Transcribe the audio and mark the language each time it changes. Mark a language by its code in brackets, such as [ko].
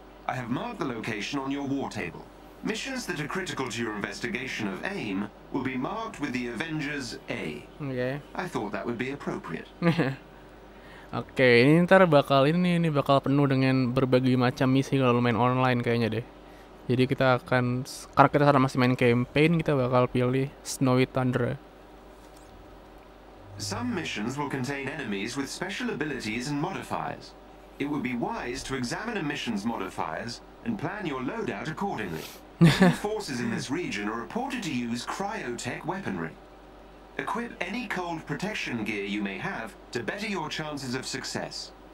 [en] I have marked the location on your war table. Missions that are critical to your investigation of AIM will be marked with the Avengers A. Okay. I thought that would be appropriate. [id] Okay, ini ntar bakal ini bakal penuh dengan berbagai macam misi kalau main online kayaknya deh. Jadi kita akan, karena kita sekarang masih main campaign, kita bakal pilih Snowy Tundra. [en] Some missions will contain enemies with special abilities and modifiers. It would be wise to examine a mission's modifiers and plan your loadout accordingly. Forces in this region are reported to use cryotech weaponry. Equip any cold protection gear you may have to better your chances of success.